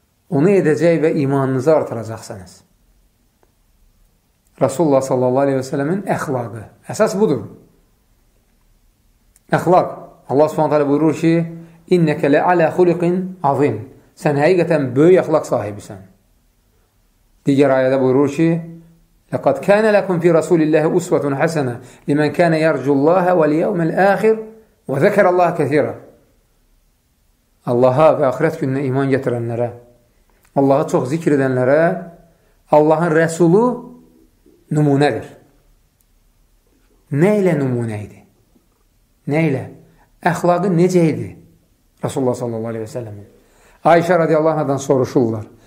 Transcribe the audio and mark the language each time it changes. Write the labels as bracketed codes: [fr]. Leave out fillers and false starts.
[az] Onu edəcək və imanınızı artıracaqsınız. Rasulullah sallallahu aleyhi və səlləmin əxlaqı. Əsas budur. Əxlaq. Allah subhanahu aleyhi buyurur ki, [ar] İnnəkə lə'alə xuliqin azim. [az] Sən həqiqətən böyük əxlaq sahibisən. Digər ayədə buyurur ki, [ar] لَقَدْ كَانَ لَكُمْ فِي رَسُولِ اللَّهِ أُسْوَةٌ حَسَنَةٌ لِمَنْ كَانَ يَرْجُ اللَّهَ وَالْيَوْمَ الْآخِرَ وَذَكَرَ اللَّهَ كَثِيرًا. [az] Allah'a və ahirət gününə iman gətirənlərə, Allah'ı çox zikr edənlərə Allah'ın Rəsulu nümunədir. nə ilə nümunə idi? Nə ilə? Əxlaqı necə idi? Rasulullah sallallahu aleyhi ve sellemin. Ayşə radiyallahu anhadan soruşurlar.